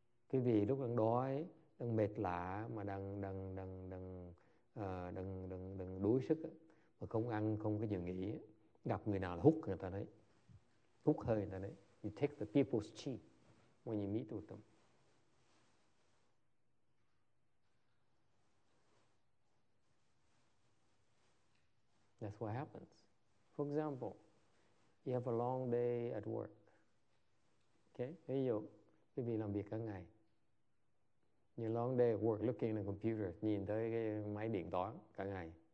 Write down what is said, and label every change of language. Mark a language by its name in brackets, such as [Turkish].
[Vietnamese] Cái vì lúc đang đói, đang mệt lạ mà đang đuối sức mà không ăn, không có giờ nghỉ, gặp người nào là hút người ta đấy, hút hơi người ta đấy. [English] You take the people's chi when you meet with them. That's what happens. For example, you have a long day at work. [Vietnamese] Okay, ví dụ quý vị làm việc cả ngày. [English] Your long day of work, looking at the computer, [Vietnamese] nhìn tới cái máy điện toán cả ngày.